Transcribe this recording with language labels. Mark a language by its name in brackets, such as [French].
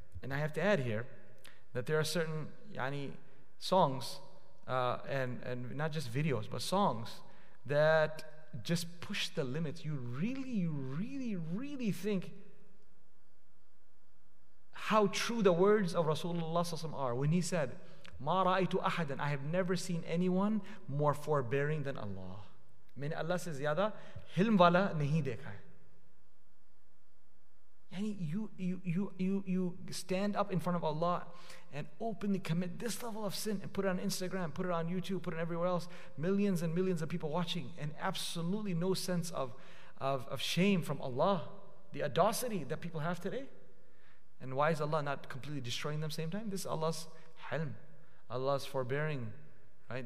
[English] And I have to add here that there are certain yani songs, and not just videos, but songs that just push the limits. You really think how true the words of Rasulullah ﷺ are when he said, [Arabic] "Ma ra'aytu ahadan," [English] I have never seen anyone more forbearing than Allah. [Urdu] میں اللہ سے زیادہ حلم والا نہیں دیکھا ہے. [English] Yani you stand up in front of Allah and openly commit this level of sin and put it on Instagram, put it on YouTube, put it everywhere else. Millions and millions of people watching, and absolutely no sense of shame from Allah. The audacity that people have today. And why is Allah not completely destroying them same time? This is Allah's hilm, Allah's forbearing, right?